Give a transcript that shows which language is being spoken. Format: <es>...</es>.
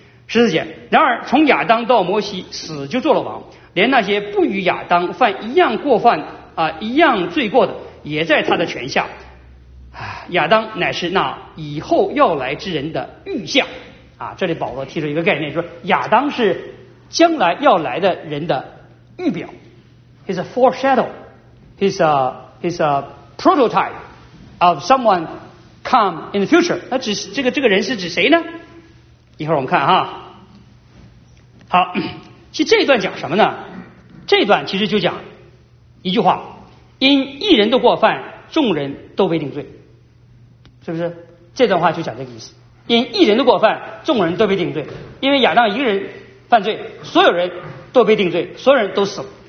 <zh>14节，然而从亚当到摩西，死就做了王，连那些不与亚当犯一样过犯啊、一样罪过的，也在他的权下。亚当乃是那以后要来之人的预象啊。这里保罗提出一个概念，说亚当是将来要来的人的预表。</zh> <en>He's a foreshadow. He's a prototype of someone come in the future.</en> <zh>那指这个人是指谁呢？一会儿我们看哈。好，其实这一段讲什么呢？这一段其实就讲一句话，因一人的过犯，众人都被定罪，是不是？这段话就讲这个意思。因一人的过犯，众人都被定罪，因为亚当一个人犯罪，所有人都被定罪，所有人都死了。</zh>